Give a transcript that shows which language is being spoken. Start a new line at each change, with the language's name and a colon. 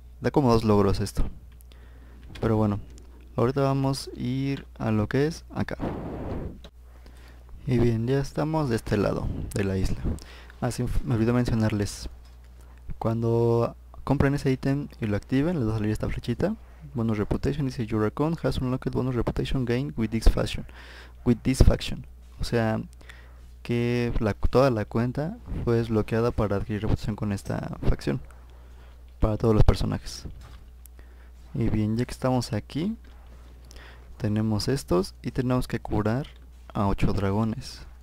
Spanish: Da como dos logros esto. Pero bueno, ahorita vamos a ir a lo que es acá. Y bien, ya estamos de este lado de la isla. Así, me olvidé mencionarles. Cuando compren ese ítem y lo activen, les va a salir esta flechita.
English: Bonus reputation, dice your account has unlocked bonus reputation gain with this faction. With this faction.
Spanish: O sea, que toda la cuenta fue desbloqueada para adquirir reputación con esta facción. Para todos los personajes. Y bien, ya que estamos aquí, tenemos estos y tenemos que curar a 8 dragones.